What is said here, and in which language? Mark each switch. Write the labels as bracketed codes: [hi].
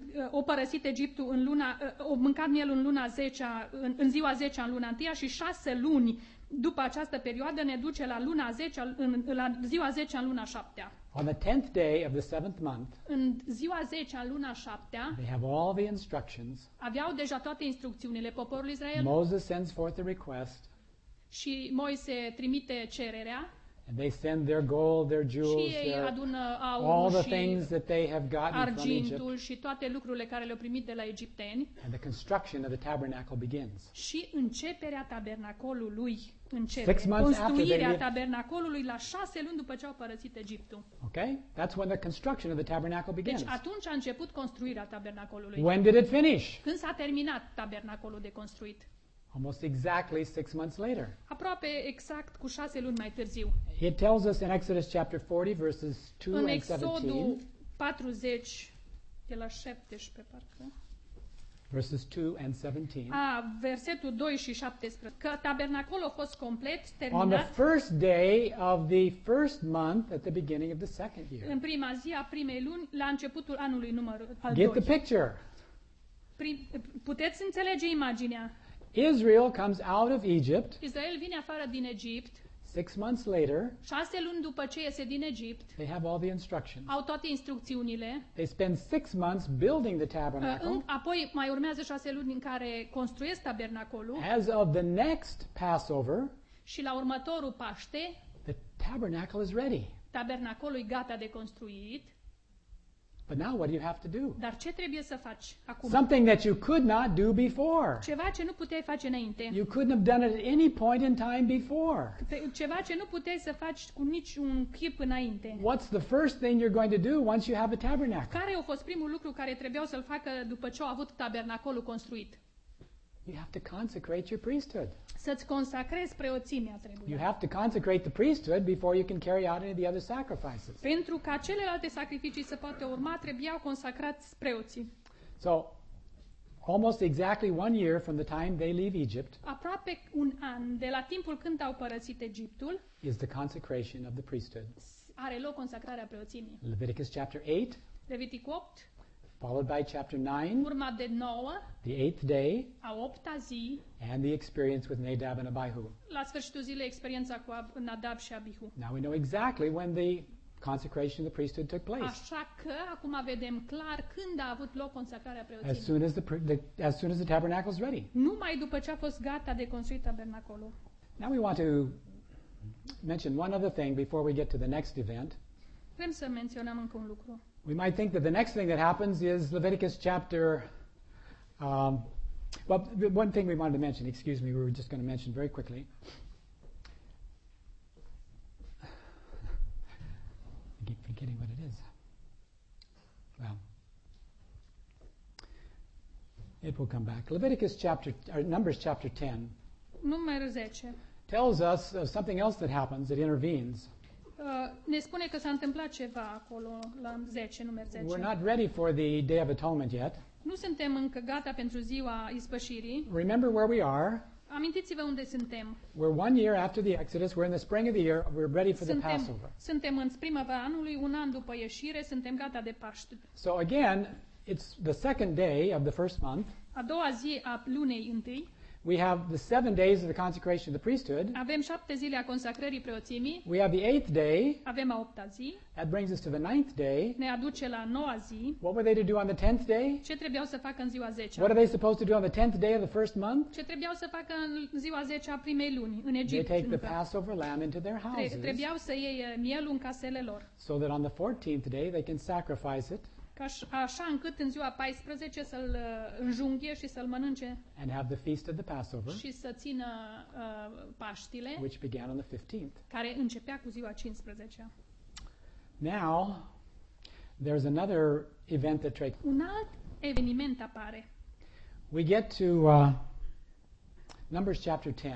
[ro] O părăsit Egiptul în luna o mâncat miel în luna 10-a în ziua 10-a în luna întâi și 6 luni după această perioadă ne duce la luna 10-a la ziua 10-a în luna 7-a. [en] On the 10th day of the 7th month. [ro] În ziua 10-a în luna 7-a. [en] They have all the instructions. [ro] Aveau deja toate instrucțiunile poporului Israel. [en] Moses sends forth a request. [ro] Și Moise trimite cererea. [en] And they send their gold, their jewels, [ro] și ei adună aurul și [en] all the things that they have gotten [ro] argintul [en] from [ro] și toate lucrurile care le-au primit de la egipteni. [en] And the construction of the tabernacle begins. [ro] Și începerea tabernacolului. începe [en] 6 months [ro] construirea tabernacolului la 6 luni după ce au părăsit Egiptul. [en] Okay? That's when the construction of the tabernacle begins. [ro] Deci atunci a început construirea tabernacolului. [en] When did it finish? [ro] Când s-a terminat tabernacolul de construit? [en] Almost exactly 6 months later. [ro] Aproape exact cu 6 luni mai târziu. [en] It tells us in Exodus chapter 40 verses 2 and 17. [ro] În Exodul 40 de la 17 parcă. [en] Verses 2 and 17. [ro] Ah, versetul 2 și 17. Că tabernacolul a fost complet terminat. [en] On the first day of the first month at the beginning of the second year. [ro] În prima zi a primei luni la începutul anului numărul al [en] doilea. Get the picture. [ro] Puteți înțelege imaginea? [en] Israel comes out of Egypt. [ro] Israel vine afară din Egipt. [en] 6 months later. [ro] 6 luni după ce iese din Egipt. [en] They have all the instructions. [ro] Au toate instrucțiunile. [en] They spend 6 months building the tabernacle. [ro] Apoi mai urmează 6 luni în care construiesc tabernacolul. [en] As of the next Passover. [ro] Și la următorul Paște. [en] The tabernacle is ready. [ro] Tabernacolul e gata de construit. [en] But now what do you have to do? [ro] Dar ce trebuie să faci acum? [en] Something that you could not do before. [ro] Ceva ce nu puteai face înainte. [en] You couldn't have done it at any point in time before. [ro] Ceva ce nu puteai să faci cu niciun chip înainte. [en] What's the first thing you're going to do once you have a tabernacle? [ro] Care a fost primul lucru care trebuiau să-l facă după ce au avut tabernacolul construit? [en] You have to consecrate your priesthood. [ro] Să-ți consacrezi preoțimea trebuie. [en] You have to consecrate the priesthood before you can carry out any of the other sacrifices. [ro] Pentru ca celelalte sacrificii să poată urma, trebuiau consacrați preoții. [en] So, almost exactly 1 year from the time they leave Egypt. [ro] Aproape un an de la timpul când au părăsit Egiptul. [en] Is the consecration of the priesthood. [ro] Are loc consacrarea preoțimii. [en] Leviticus chapter 8. [ro] Leviticul 8. [en] Followed by chapter 9, [ro] urma de nouă, [en] the eighth day, [ro] a opta zi, [en] and the experience with Nadab and Abihu. [ro] La sfârșitul zilei, experiența cu Nadab și Abihu. [en] Now we know exactly when the consecration of the priesthood took place. [ro] Așa că acum vedem clar când a avut loc consacrarea preoției. [en] As soon as the tabernacle is ready. [ro] Numai după ce a fost gata de construit tabernacolul. [en] Now we want to mention one other thing before we get to the next event. [ro] Vrem să menționăm încă un lucru. [en] We might think that the next thing that happens is Leviticus chapter... one thing we wanted to mention, excuse me, we were just going to mention very quickly. I keep forgetting what it is. Well, it will come back. Leviticus chapter, or Numbers chapter 10. [ro] Numărul 10. [en] Tells us of something else that happens, that intervenes. [ro] Ne spune că s-a întâmplat ceva acolo la 10, numărul 10. [en] We're not ready for the Day of Atonement yet. [ro] Nu suntem încă gata pentru ziua ispășirii. [en] Remember where we are. [ro] Amintiți-vă unde suntem. [en] We're 1 year after the Exodus. We're in the spring of the year. We're ready for [ro] suntem, [en] the Passover. [ro] Suntem în primăvara anului, un an după ieșire, suntem gata de Paște. [en] So again, it's the second day of the first month. [ro] A doua zi a lunii întâi. [en] We have the 7 days of the consecration of the priesthood. [ro] Avem 7 zile a consacrării preoțimii. [en] We have the 8th day. [ro] Avem a 8-a zi. [en] That brings us to the 9th day. [ro] Ne aduce la 9-a zi. [en] What were they to do on the 10th day? [ro] Ce trebuiau să facă în ziua 10-a? [en] What are they supposed to do on the 10th day of the first month? [ro] Ce trebuiau să facă în ziua 10-a primei luni în Egipt? [en] They take the Passover lamb into their houses. [ro] Trebuiau să ia mielul în casele lor. [en] So that on the 14th day they can sacrifice it. [ro] Așa încât în ziua 14 să-l înjunghie și să-l mănânce. [en] And have the feast of the Passover, [ro] și să țină Paștile, [en] which began on the 15th. [ro] Care începea cu ziua 15. [en] Now, there's another event that takes. [ro] Un alt eveniment apare. [en] We get to Numbers chapter 10.